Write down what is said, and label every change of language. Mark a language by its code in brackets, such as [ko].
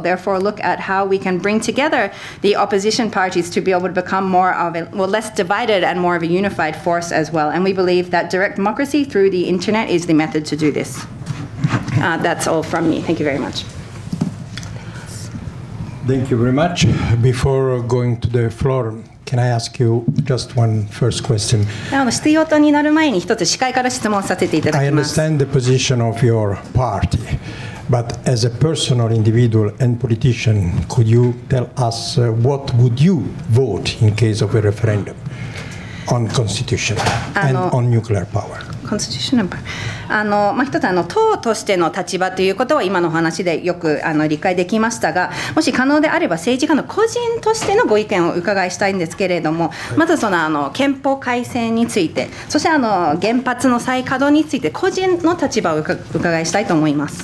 [en] Therefore, look at how we can bring together the opposition parties to be able to become more of a, well, less divided and more of a unified force as well. And we believe that direct democracy through the internet is the method to do this. That's all from me. Thank you very much. Thank you very much. Before going to the floor, can I ask you just one first question? [ja] 必要とになる前に一つ司会から質問させていただきます。 [en] I understand the position of your party. But as a personal individual and politician, could you tell us what would you vote in case of a referendum on constitution and on nuclear power? Constitution and power. [ja] 一つ党としての立場ということは今の話でよく理解できましたが、もし可能であれば政治家の個人としてのご意見を伺いしたいんですけれども、はい、まずその憲法改正について、そして原発の再稼働について、個人の立場を伺いしたいと思います。